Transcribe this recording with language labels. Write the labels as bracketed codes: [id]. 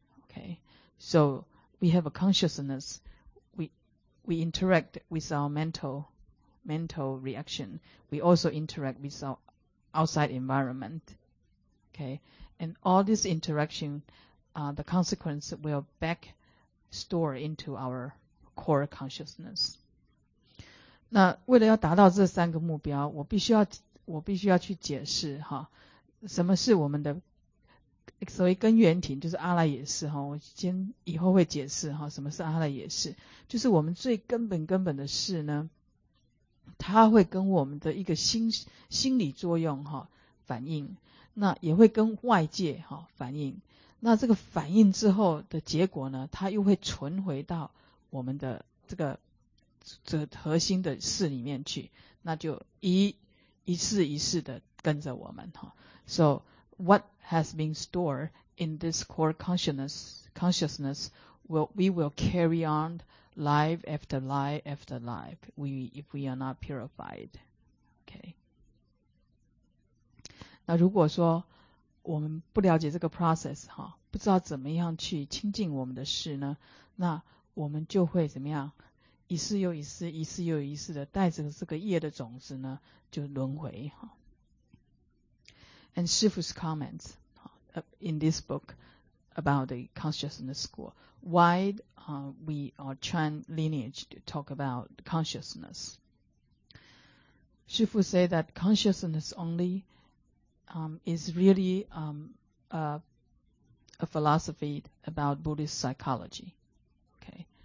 [en] Okay. So we have a consciousness. We interact with our mental reaction. We also interact with our outside environment. Okay. And all this interaction, the consequence will back store into our core consciousness. [zh] 那为了要达到这三个目标，我必须要去解释哈，什么是我们的所谓根源体，就是阿赖耶识哈。我先以后会解释哈，什么是阿赖耶识，就是我们最根本的事呢，它会跟我们的一个心理作用哈反应。那也会跟外界哈反应，那这个反应之后的结果呢，它又会存回到我们的这个核心的事里面去，那就一世的跟着我们哈。 [en] So what has been stored in this core consciousness we will carry on life after life after life if we are not purified, okay. [zh] 那如果说我们不了解这个 process 哈，不知道怎么样去亲近我们的事呢，那我们就会怎么样，一次又一次，一次又一次的带着这个业的种子呢就轮回。 [en] And Shifu's comments in this book about the consciousness school, why we are Chan lineage to talk about consciousness. Shifu say that consciousness only is really a philosophy about Buddhist psychology. Okay.